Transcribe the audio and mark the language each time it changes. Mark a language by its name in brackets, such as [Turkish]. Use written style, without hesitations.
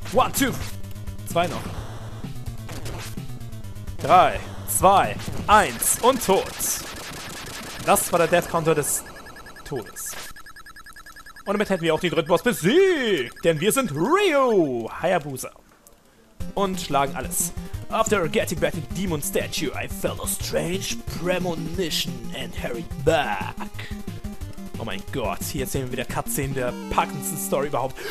[German] 1, 2, 2 noch. 3, 2, 1 und tot. Das war der Death Counter des Todes. Und damit hätten wir auch den dritten Boss besiegt. Denn wir sind Ryu, Hayabusa. Und schlagen alles. [English] After getting back the demon statue, I felt a strange premonition and hurried back. [German] Oh mein Gott, hier sehen wir wieder Cutscene der packendsten Story überhaupt.